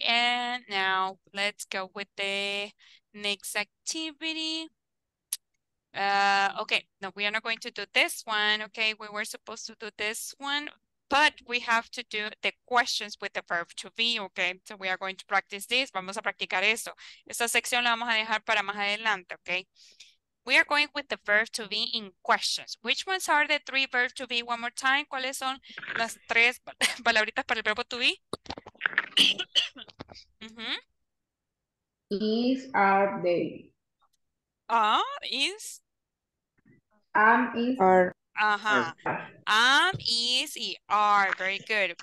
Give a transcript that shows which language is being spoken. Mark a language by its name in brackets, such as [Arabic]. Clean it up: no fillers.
[English] And now let's go with the next activity. Okay, no, we are not going to do this one, okay? We were supposed to do this one, but we have to do the questions with the verb to be, okay? So we are going to practice this. [Spanish] Vamos a practicar eso. Esta sección la vamos a dejar para más adelante, okay? [English] We are going with the verb to be in questions. Which ones are the three verbs to be? One more time. [Spanish] ¿Cuáles son las tres palabritas para el verbo to be? [English] Is, are, they. Is. Am, is, are. Am, is, y are. Very good.